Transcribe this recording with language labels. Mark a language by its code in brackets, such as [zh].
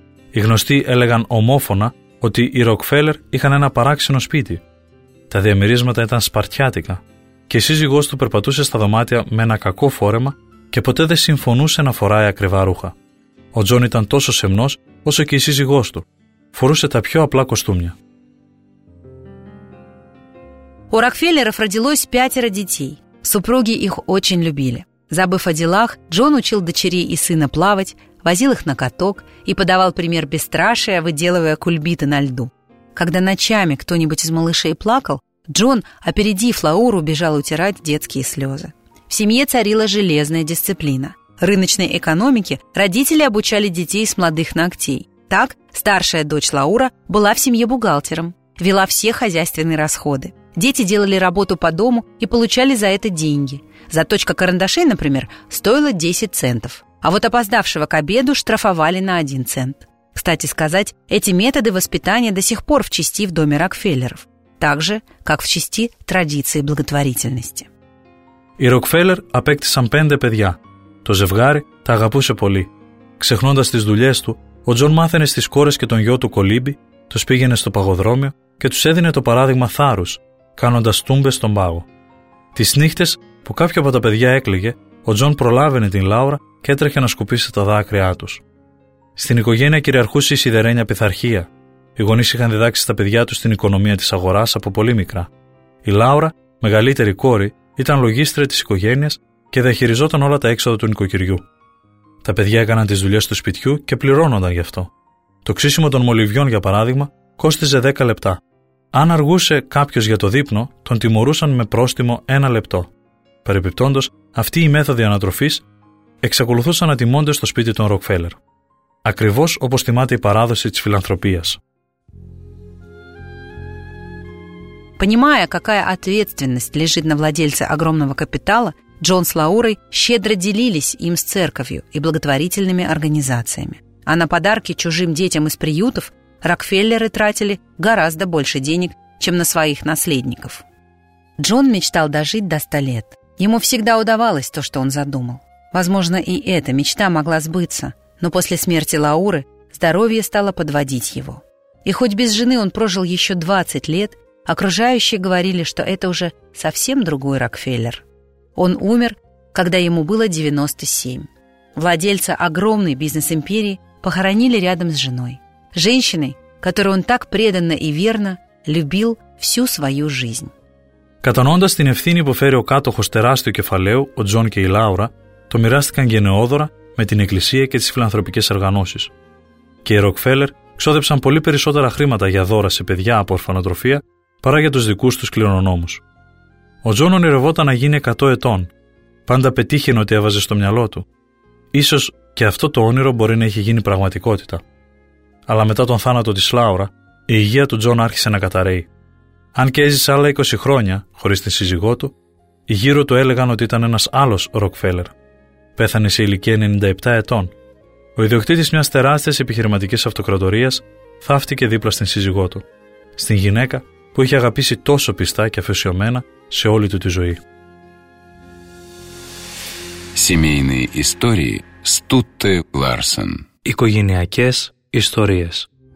[el] Οι γνωστοί έλεγαν ομόφωνα ότι οι Ροκφέλλερ είχαν ένα παράξενο σπίτι. Τα διαμερίσματα ήταν σπαρτιάτικα και η σύζυγός του περπατούσε στα δωμάτια με ένα κακό φόρεμα και ποτέ δεν συμφωνούσε να φοράει ακριβά ρούχα. Ο Τζον ήταν τόσο σεμνός όσο και η σύζυγός του. Φορούσε τα πιο απλά κοστούμια. [ru] У Рокфеллеров родилось 5 детей. Супруги их очень любили. Забыв о делах, Джон учил дочерей и сына плавать, возил их на каток и подавал пример бесстрашия, выделывая кульбиты на льду. Когда ночами кто-нибудь из малышей плакал, Джон, опередив Лауру, бежал утирать детские слезы. В семье царила железная дисциплина. Рыночной экономике родители обучали детей с молодых ногтей. Так, старшая дочь Лаура была в семье бухгалтером, вела все хозяйственные расходы. Дети делали работу по дому и получали за это деньги. Заточка карандашей, например, стоила 10 центов. А вот опоздавшего к обеду штрафовали на 1 цент. Кстати сказать, эти методы воспитания до сих пор в чести в доме Рокфеллеров. Так же, как в чести традиции благотворительности. [el] Οι Ροκφέλλερ απέκτησαν 5 παιδιά. Το ζευγάρι τα αγαπούσε πολύ. Ξεχνώντας τις δουλειές του, ο Τζον μάθαινε στις κόρες και τον γιο του κολύμπι, τους πήγαινε στο παγοδρόμιο και τους έδινε το παράδειγμα θάρρους, κάνοντας τούμπες στον πάγο. Τις νύχτες που κάποιο από τα παιδιά έκλαιγε, ο Τζον προλάβαινε την Λάουρα και έτρεχε να σκουπίσει τα δάκρυά τους. Στην οικογένεια κυριαρχούσε η σιδερένια πειθαρχία. Οι γονείς είχαν διδάξει στα παιδιά τους την οικονομία της αγοράς από πολύ μικρά. Η Λάουρα, μεγαλύτερη κόρη, ήταν λογίστρια της οικογένειας και διαχειριζόταν όλα τα έξοδα του νοικοκυριού. Τα παιδιά έκαναν τις δουλειές του σπιτιού και πληρώνονταν γι' αυτό. Το ξύσιμο των μολυβιών, για παράδειγμα, κόστιζε 10 λεπτά. Αν αργούσε κάποιος για το δείπνο, τον τιμωρούσαν με πρόστιμο 1 λεπτό. Περιπιπτόντως, αυτοί οι μέθοδοι ανατροφής εξακολουθούσαν να τιμώνται στο σπίτι των Ροκφέλλερ. Ακριβώς όπως τιμάται η παράδοση της φιλανθρωπίας. [ru] Понимая, какая ответственность лежит на владельце огромного капитала, Джон с Лаурой щедро делились им с церковью и благотворительными организациями. А на подарки чужим детям из приютов Рокфеллеры тратили гораздо больше денег, чем на своих наследников. Джон мечтал дожить до 100 лет. Ему всегда удавалось то, что он задумал. Возможно, и эта мечта могла сбыться, но после смерти Лауры здоровье стало подводить его. И хоть без жены он прожил еще 20 лет, окружающие говорили, что это уже совсем другой Рокфеллер. Он умер, когда ему было 97. Владельца огромной бизнес-империи похоронили рядом с женой. Женщиной, которую он так преданно и верно любил всю свою жизнь. [el] Κατανοώντας την ευθύνη που φέρει ο κάτοχος τεράστιου κεφαλαίου, ο Τζον και η Λάουρα, το μοιράστηκαν γενναιόδωρα με την Εκκλησία και τις φιλανθρωπικές οργανώσεις. Και οι Ροκφέλλερ ξόδεψαν πολύ περισσότερα χρήματα για δώρα σε παιδιά από ορφανοτροφία παρά για τους δικούς τους κληρονόμους. Ο Τζον ονειρευόταν να γίνει 100 ετών. Πάντα πετύχαινε ό,τι έβαζε στο μυαλό του. Ίσως και αυτό το όνειρο μπορεί να είχε γίνει πραγματικότητα. Αλλά μετά τον θάνατο της Λάουρα, η υγεία του Τζον άρχισε να καταραίει. Αν και έζησε άλλα 20 χρόνια χωρίς την σύζυγό του, οι γύρω του έλεγαν ότι ήταν ένας άλλος Ροκφέλλερ. Πέθανε σε ηλικία 97 ετών. Ο ιδιοκτήτης μιας τεράστιας επιχειρηματικής αυτοκρατορίας θαύτηκε δίπλα στην σύζυγό του. Στην γυναίκα που είχε αγαπήσει τόσο πιστά και αφοσιωμένα σε όλη του τη ζωή. [ru] Семейные истории Стутте Ларсен. [el] Οικογενειακές ιστορίες.